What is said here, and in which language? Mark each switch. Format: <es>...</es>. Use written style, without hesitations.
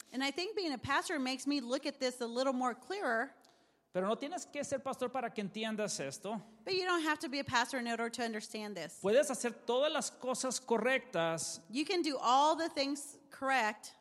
<en>And I think being a pastor makes me look at this a little more clearer.</en> <es>Pero no tienes que ser pastor para que entiendas esto.</es> <en>But you don't have to be a pastor in order to understand this.</en> <es>Puedes hacer todas las cosas correctas.</es> <en>You can do all the things correct.</en>